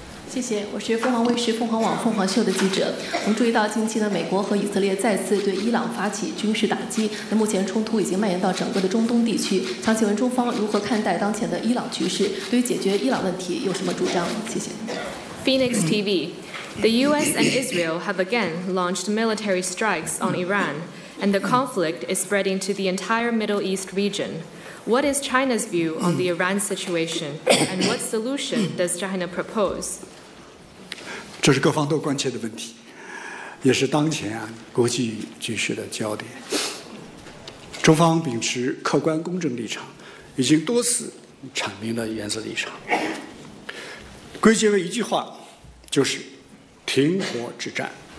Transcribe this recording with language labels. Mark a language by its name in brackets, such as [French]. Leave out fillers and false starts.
[Chinese] 谢谢，我是凤凰卫视凤凰网凤凰秀的记者。我们注意到近期呢，美国和以色列再次对伊朗发起军事打击，那目前冲突已经蔓延到整个的中东地区。想请问中方如何看待当前的伊朗局势？对于解决伊朗问题有什么主张？谢谢。 [English] Phoenix TV, the U.S. and Israel have again launched military strikes on Iran. And the conflict is spreading to the entire Middle East region. What is China's view on the Iran situation, and what solution does China propose? [Chinese] 这是各方都关切的问题，也是当前啊国际局势的焦点。中方秉持客观公正立场，已经多次阐明了原则立场。归结为一句话，就是停火止战。